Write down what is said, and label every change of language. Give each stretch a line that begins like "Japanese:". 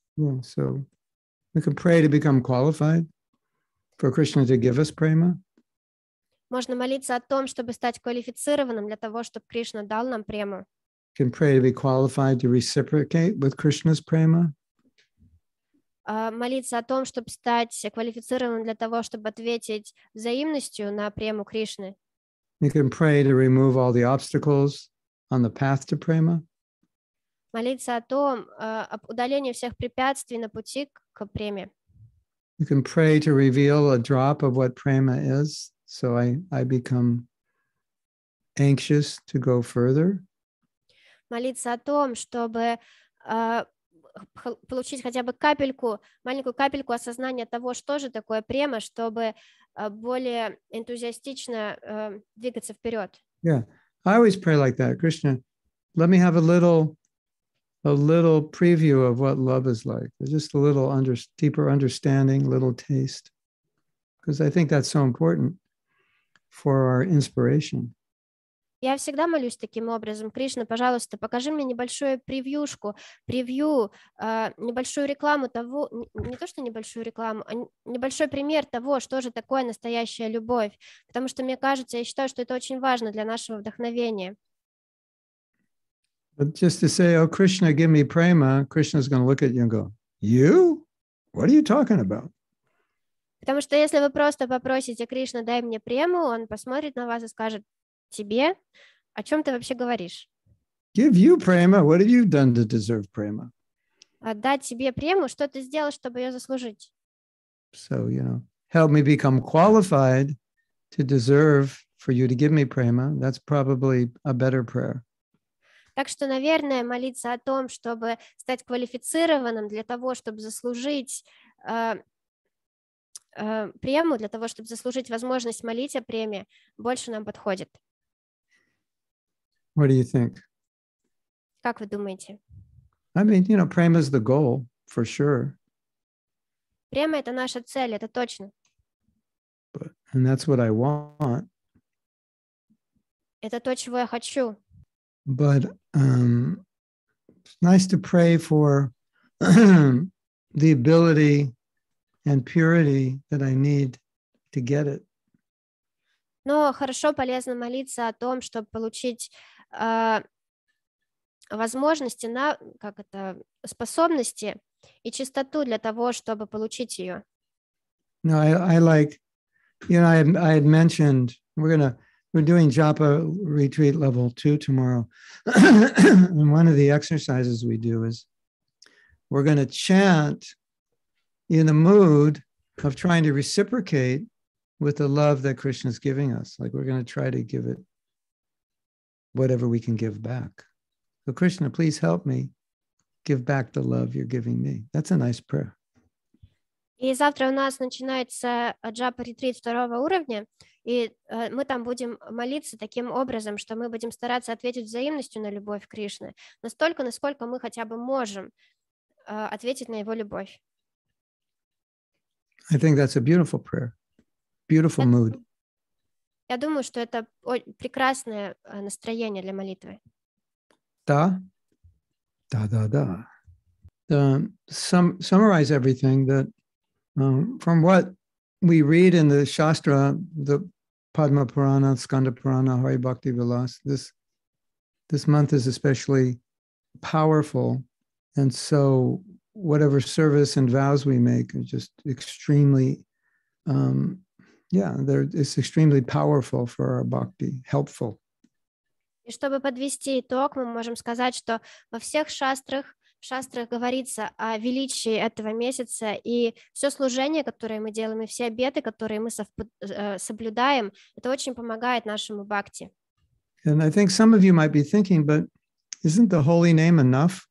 English: Yeah, so we can pray to become qualified for Krishna to give us prema.
Russian: Можно молиться о том, чтобы стать квалифицированным для того, чтобы Кришна дал нам прему.
English: Can pray to be qualified to reciprocate with Krishna's prema.
Russian: Молиться о том, чтобы стать квалифицированным для того, чтобы ответить взаимностью на прему Кришны.
English: You can pray to remove all the obstacles on the path to prema.
Russian: Молиться о том, об удалении всех препятствий на пути к преме.
English: You can pray to reveal a drop of what prema is, so I become anxious to go further.
Russian: Молиться о том, чтобы получить хотя бы капельку, маленькую капельку осознания того, что же такое према, чтобы более энтузиастично двигаться вперед.
English: Yeah, I always pray like that. Krishna, let me have a little preview of what love is like. Just a little deeper understanding, little taste. because I think that's so important for our inspiration.
Russian: Я всегда молюсь таким образом: Кришна, пожалуйста, покажи мне небольшую превьюшку, превью, небольшую рекламу того, не то что небольшую рекламу, а небольшой пример того, что же такое настоящая любовь, потому что мне кажется, я считаю, что это очень важно для нашего вдохновения.
English: But just to say, oh, Krishna, give me prema, Krishna's going to look at you and go, you? What are you talking about?
Russian: Потому что если вы просто попросите Кришна, дай мне прему, он посмотрит на вас и скажет: тебе? О чем ты вообще говоришь?
English: Give you prema. What have you done to deserve prema?
Russian: Отдать тебе прему? Что ты сделал, чтобы ее заслужить?
English: So, you know, help me become qualified to deserve for you to give me prema. That's probably a better prayer.
Russian: Так что, наверное, молиться о том, чтобы стать квалифицированным для того, чтобы заслужить прему, для того, чтобы заслужить возможность молить о преме, больше нам подходит.
English: What do you think?
Russian: Как вы думаете?
English: I mean, you know, prema is the goal, for sure.
Russian: Према — это наша цель, это точно.
English: But, and that's what I want.
Russian: Это то, чего я хочу.
English: But it's nice to pray for the ability and purity that I need to get it.
Russian: Но хорошо, полезно молиться о том, чтобы получить возможности, на как это, способности и чистоту для того, чтобы получить ее.
English: No, I like, you know, I had mentioned we're doing Japa retreat level 2 tomorrow. And one of the exercises we do is we're going to chant in the mood of trying to reciprocate with the love that Krishna is giving us. Like we're going to try to give it whatever we can give back. So Krishna, please help me give back the love you're giving me. That's a nice prayer.
Russian: И завтра у нас начинается джапа-ретрит 2-го уровня, и мы там будем молиться таким образом, что мы будем стараться ответить взаимностью на любовь Кришны, настолько, насколько мы хотя бы можем ответить на его любовь.
English: I think that's a beautiful prayer, beautiful mood.
Russian: Я думаю, что это прекрасное настроение для молитвы. Да, да, да, да.
English: Summarize everything that from what we read in the Shastra, the Padma Purana, Skanda Purana, Hari Bhakti Vilas, this month is especially powerful, and so whatever service and vows we make are just extremely, it's extremely powerful for our bhakti, helpful.
Russian: И чтобы подвести итог, мы можем сказать, что во всех шастрах говорится о величии этого месяца, и все служение, которое мы делаем, и все обеты, которые мы соблюдаем, это очень помогает нашему бхакти.
English: And I think some of you might be thinking, but isn't the holy name enough?